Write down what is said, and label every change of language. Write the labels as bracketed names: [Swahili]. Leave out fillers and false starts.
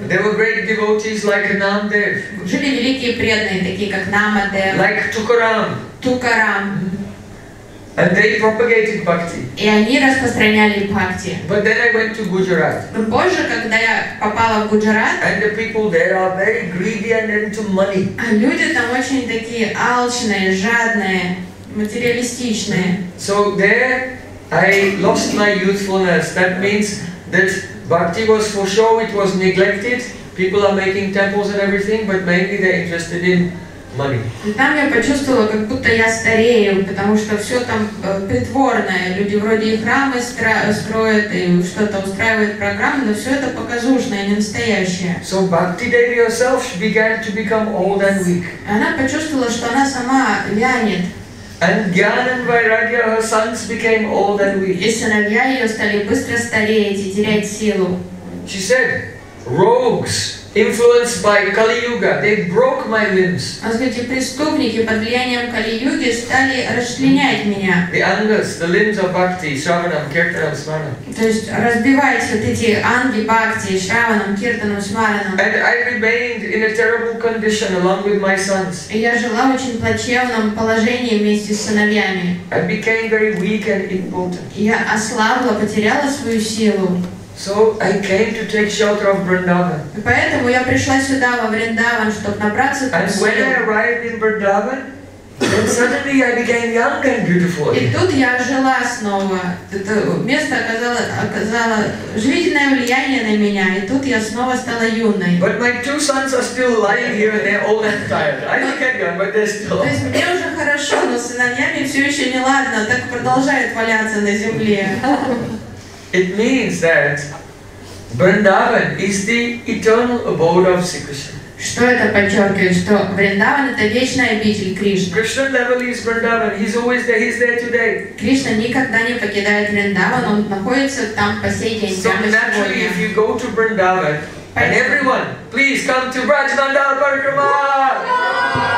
[English] There were great devotees like Namdev. [Russian] Жили великие преданные такие как Намадев. [English] Like Tukaram. Tukaram. And they propagated bhakti. [Russian] И они распространяли бхакти. [English] But then I went to Gujarat. [Russian] Но позже, когда я попала в Гуджарат. [English] And the people there are very greedy and into money. [Russian] А люди там очень такие алчные, жадные, материалистичные. [English] So there, I lost my youthfulness. That means that bhakti was for show. It was neglected. People are making temples and everything, but mainly they're interested in money. [Russian] И там я почувствовала, как будто я старею, потому что все там притворное. Люди вроде и храмы строят, и что-то устраивают программы, но все это показушное, не настоящее. [English] So Bhakti Devi herself began to become old and weak. [Russian] Она почувствовала, что она сама вянет. [English] And Gyan and Vairagya, her sons, became old and weak. [Russian] И сыновья ее стали быстро стареть и терять силу. [English] She said, rogues. Influenced by Kali Yuga, they broke my limbs. [Russian] А знаете, преступники под влиянием Кали Юги стали расчленять меня. [English] The angas, the limbs of Bhakti, Shravanam, Kirtanam, Smaranam. [Russian] То есть разбивались вот эти анги Бхакти, Шраванам, Киртанам, Смаранам. [English] And I remained in a terrible condition along with my sons. [Russian] И я жила в очень плачевном положении вместе с сыновьями. [English] I became very weak and impotent. [Russian] Я ослабла, потеряла свою силу. [English] So I came to take shelter of Vrindavan. [Russian] И поэтому я пришла сюда во Вриндаван, чтобы набраться силы. [English] And when I arrived in Vrindavan, then suddenly I became young and beautiful. [Russian] И тут я ожила снова. Это место оказало жизненное влияние на меня, и тут я снова стала юной. [English] But my two sons are still lying here, and they're old and tired. I became young, but they're still. [Russian] То есть мне уже хорошо, но сыновьями все еще не ладно, так продолжают валяться на земле. [English] It means that Vrindavan is the eternal abode of Sri Krishna. [Russian] Что это подчеркивает? Что Вриндаван — это вечная обитель Кришны. [English] Krishna never leaves Vrindavan. He's always there. He's there today. [Russian] Кришна никогда не покидает Вриндаван. Он находится там по сей день. [English] So naturally, if you go to Vrindavan, and everyone, please come to Braj Mandal Parikrama.